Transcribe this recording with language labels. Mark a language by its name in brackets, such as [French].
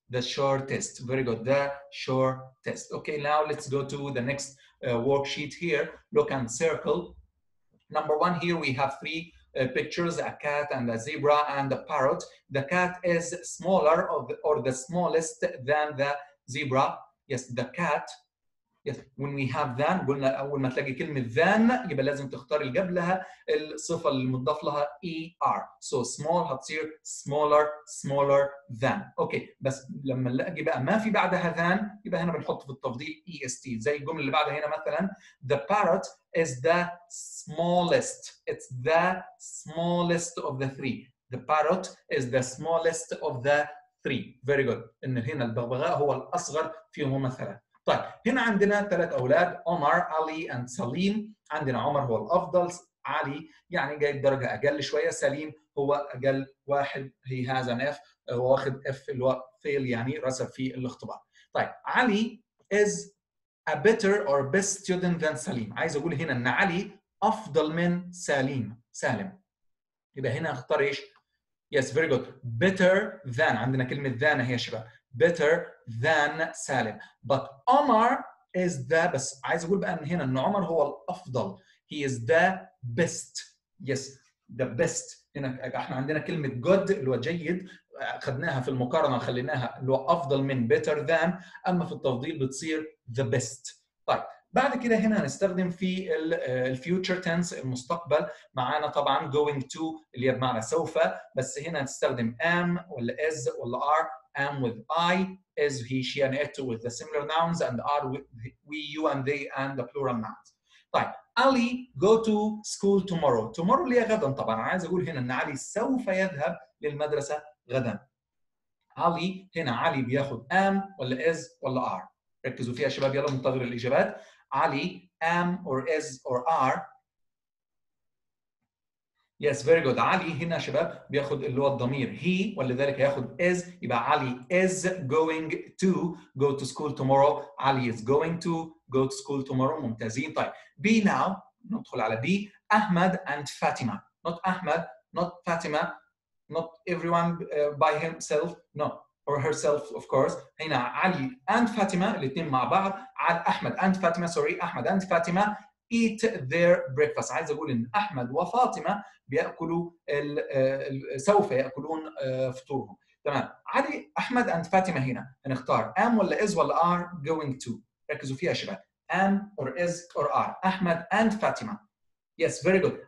[English] Very good. The shortest. Okay, now let's go to the next worksheet here. Look and circle. Number one, here we have three pictures, a cat and a zebra and a parrot. The cat is smaller or the smallest than the zebra. Yes, the cat. Yes, when we have than, [Arabic] قلنا أول ما تلاقي كلمة than, يبقى لازم تختار قبلها الصفة المضاف لها er. [English] So small [Arabic] هتصير [English] smaller than. Okay, [Arabic] بس لما نلاقي بقى ما في بعدها than, يبقى هنا بنحط في التفضيل est. زي الجملة اللي بعدها هنا مثلا, [English] the parrot is the smallest. It's the smallest of the three. The parrot is the smallest of the three. Very good. [Arabic] إن هنا الببغاء هو الأصغر فيهم مثلا. طيب هنا عندنا ثلاث أولاد, عمر, علي and سليم. عندنا عمر هو الأفضل, علي يعني جاي درجة أقل شوية, سليم هو أقل واحد, [English] he has an F, [Arabic] هو واخد F اللي هو fail يعني رسب في الاختبار. طيب [English] علي is a better or best student than سليم. [Arabic] عايز أقول هنا أن علي أفضل من سالم. يبقى هنا اختار إيش؟ [English] Yes, very good. Better than, [Arabic] عندنا كلمة than هي شباب, [English] better than [Arabic] سالم. [English] But [Arabic] عمر is the, بس عايز اقول بقى ان هنا ان عمر هو الافضل, [English] he is the best. Yes, the best. [Arabic] هنا احنا عندنا كلمة good اللي هو جيد, خدناها في المقارنة خليناها اللي هو افضل من [English] better than, [Arabic] اما في التفضيل بتصير [English] the best. [Arabic] طيب بعد كده هنا هنستخدم في الـ future tense المستقبل, معانا طبعا going to اللي هي بمعنى سوف, بس هنا هنستخدم am ولا is ولا are. [English] Am with I, is, he, she, and it with the similar nouns, and are with we, you, and they, and the plural nouns. [Arabic] طيب, [English] Ali go to school tomorrow. [Arabic] Tomorrow ليه غدا طبعا, عايز أقول هنا أن علي سوف يذهب للمدرسة غدا. Ali, هنا علي بياخد am, ولا is, ولا are. ركزوا فيها شباب, يلا منتظر الإجابات. [English] Ali, am, or is, or are. Yes, very good. [Arabic] علي هنا شباب بياخد اللي هو الضمير he, ولذلك هياخد is. يبقى [English] علي is going to go to school tomorrow. علي is going to go to school tomorrow. [Arabic] ممتازين. طيب [English] be now, [Arabic] ندخل على [English] be. أحمد and Fatima. Not أحمد, not Fatima, not everyone by himself, no, or herself, of course. [Arabic] هنا علي and Fatima الاثنين مع بعض. على [English] أحمد and Fatima, sorry, أحمد and Fatima eat their breakfast. [Arabic] عايز أقول إن أحمد وفاطمة بيأكلوا سوف يأكلون فطورهم. تمام. [English] علي, أحمد and فاطمة هنا. هنختار am ولا is ولا are going to. [Arabic] ركزوا فيها شباب. [English] Am or is or are. أحمد and فاطمة. Yes, very good.